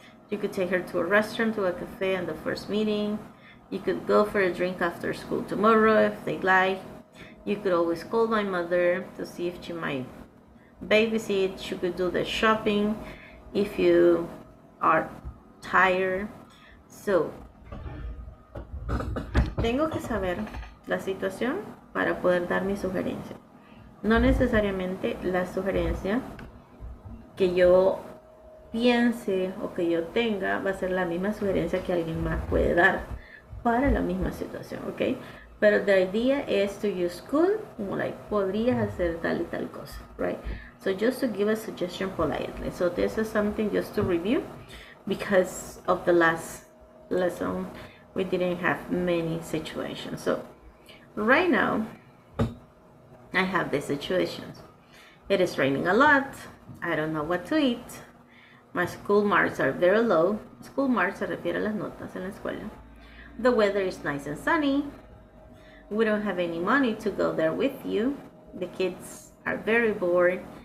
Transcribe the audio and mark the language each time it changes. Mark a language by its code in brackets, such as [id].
[en] You could take her to a restaurant, to a cafe on the first meeting. You could go for a drink after school tomorrow if they'd like. You could always call my mother to see if she might babysit. She could do the shopping if you are tired. [es] So, tengo que saber la situación para poder dar mi sugerencia. No necesariamente la sugerencia que yo piense o que yo tenga va a ser la misma sugerencia que alguien más puede dar para la misma situación, ¿ok? Pero [en] the idea is to use could, [es] como [en] like, [es] podrías hacer tal y tal cosa, [en] right? So just to give a suggestion politely. So this is something just to review because of the last lesson, we didn't have many situations. So right now, I have these situations. It is raining a lot. I don't know what to eat. My school marks are very low. [es] School marks se refiere a las notas en la escuela. [en] The weather is nice and sunny. We don't have any money to go there with you. The kids are very bored.